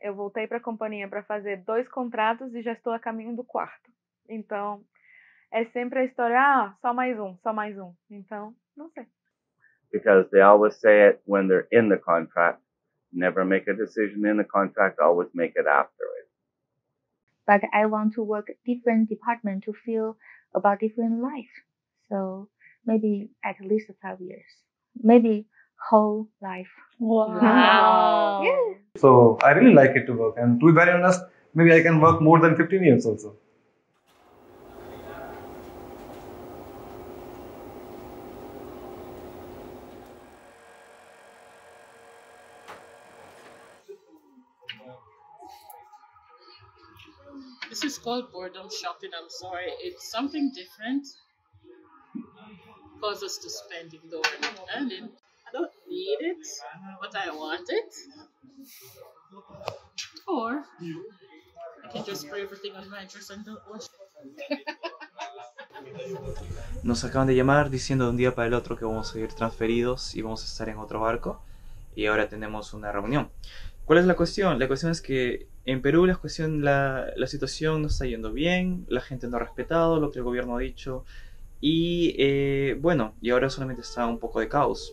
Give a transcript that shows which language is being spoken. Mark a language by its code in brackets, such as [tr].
[pt] Eu voltei para a companhia para fazer 2 contratos e já estou a caminho do 4º. Então, é sempre a história, só mais um. Então, não sei. [en] Because they always say it when they're in the contract. Never make a decision in the contract, always make it after it. But I want to work different department to feel about different life. So maybe at least 5 years. Maybe whole life. Wow. Yeah. So I really like it to work. And to be very honest, maybe I can work more than 15 years also. This is called boredom shopping, I'm sorry. It's something different. Causes to spend it though. And I don't need it, but I want it. Or I can just spray everything on my dress and don't wash it. [es] Nos acaban de llamar diciendo de un día para el otro que vamos a ir transferidos y vamos a estar en otro barco. Y ahora tenemos una reunión. ¿Cuál es la cuestión? La cuestión es que en Perú la situación no está yendo bien, la gente no ha respetado lo que el gobierno ha dicho. Y bueno, y ahora solamente está un poco de caos.